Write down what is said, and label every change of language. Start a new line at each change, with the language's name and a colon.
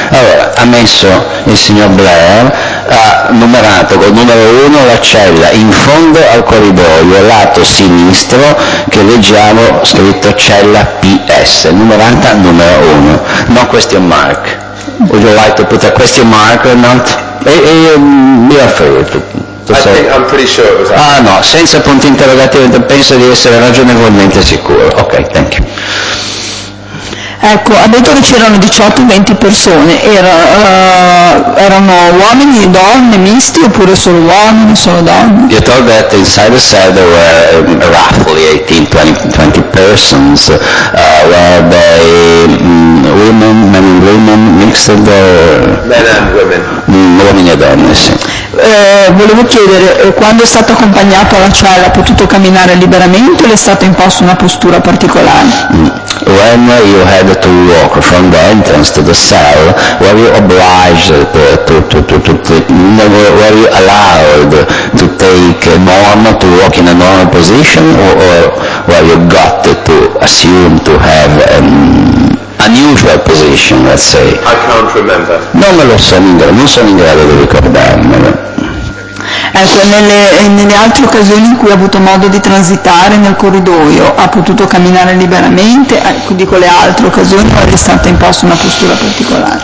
Italian: Allora, ha messo il signor Blair, ha numerato col numero uno la cella in fondo al corridoio, lato sinistro, che leggiamo scritto cella PS, numerata numero uno.
English: No question mark. Would you like to put a question mark or not? Be afraid. I'm pretty sure it was actually.
Italian: Ah no, senza punti interrogativi, penso di essere ragionevolmente sicuro.
English: Ok, thank you.
Italian: Ecco, ha detto che c'erano 18-20 persone. Erano uomini e donne misti oppure solo uomini, solo donne?
English: You told that inside the cell there were roughly 18-20 persons. Were they women, men and women, mixed or men and women?
Italian: Uomini e donne, sì. Volevo chiedere, quando è stato accompagnato alla cella, ha potuto camminare liberamente o le è stata imposta una postura particolare?
English: When you had to walk from the entrance to the cell, were you obliged were you allowed to take a normal, to walk in a normal position, or were you got to assume to have unusual position, let's say. I can't remember.
Italian: Non me lo so, non sono in grado di ricordarmelo. Ecco, nelle altre occasioni in cui ha avuto modo di transitare nel corridoio, ha potuto camminare liberamente, quindi con le altre occasioni è stata imposta una postura particolare.